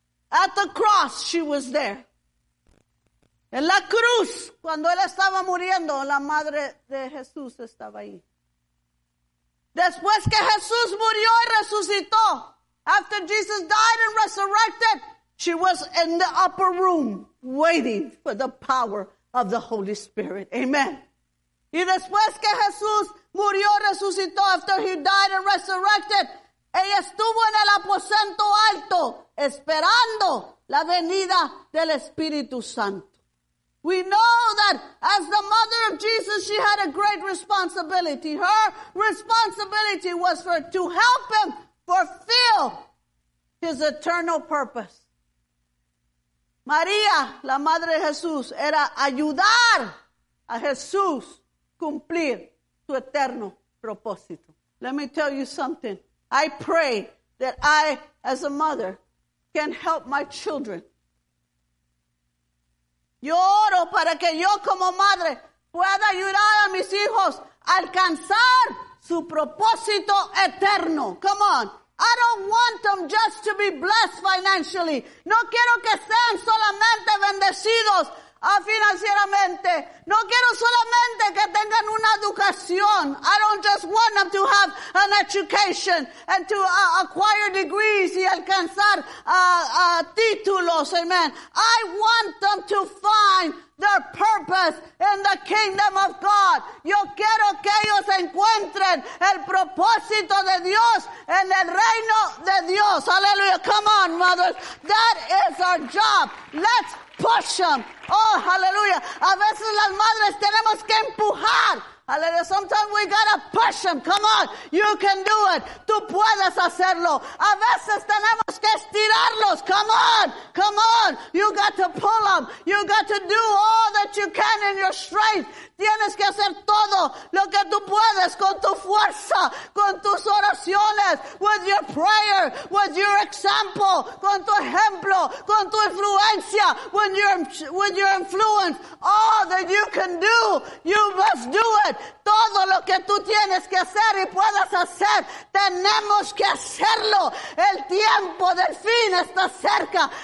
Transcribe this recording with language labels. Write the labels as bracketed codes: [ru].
[en] At the cross, she was there. [es] En la cruz, cuando él estaba muriendo, la madre de Jesús estaba ahí. Después que Jesús murió y resucitó, [en] after Jesus died and resurrected, she was in the upper room waiting for the power of the Holy Spirit. Amen. [es] Y después que Jesús murió, resucitó, [en] after he died and resurrected, [es] ella estuvo en el aposento alto esperando la venida del Espíritu Santo. [en] We know that as the mother of Jesus, she had a great responsibility. Her responsibility was to help him fulfill his eternal purpose. [es] María, la madre de Jesús, era ayudar a Jesús cumplir su eterno propósito. [en] Let me tell you something. I pray that I, as a mother, can help my children. [es] Yo oro para que yo como madre pueda ayudar a mis hijos a alcanzar su propósito eterno. [en] Come on. I don't want them just to be blessed financially. [es] No quiero que sean solamente bendecidos financieramente. No quiero solamente que tengan una educación. [en] I don't just want them to have an education and to acquire degrees [es] y alcanzar títulos. [en] Amen. I want them to find their purpose in the kingdom of God. [es] Yo quiero que ellos encuentren el propósito de Dios en el reino de Dios. [en] Hallelujah. Come on, mothers. That is our job. Let's push them. Oh, hallelujah. [es] A veces las madres tenemos que empujar. [en] Hallelujah. Sometimes we gotta push them. Come on. You can do it. [es] Tú puedes hacerlo. A veces tenemos que estirarlo [en] else. Come on, come on. You got to pull up. You got to do all that you can in your strength. [es] Tienes que hacer todo lo que tú puedes con tu fuerza, con tus oraciones, [en] with your prayer, with your example, [es] con tu ejemplo, con tu influencia, [en] with your influence. All that you can do, you must do it. [es] Todo lo que tú tienes que hacer y puedas hacer, tenemos que hacerlo. El tiempo del fin está cerca.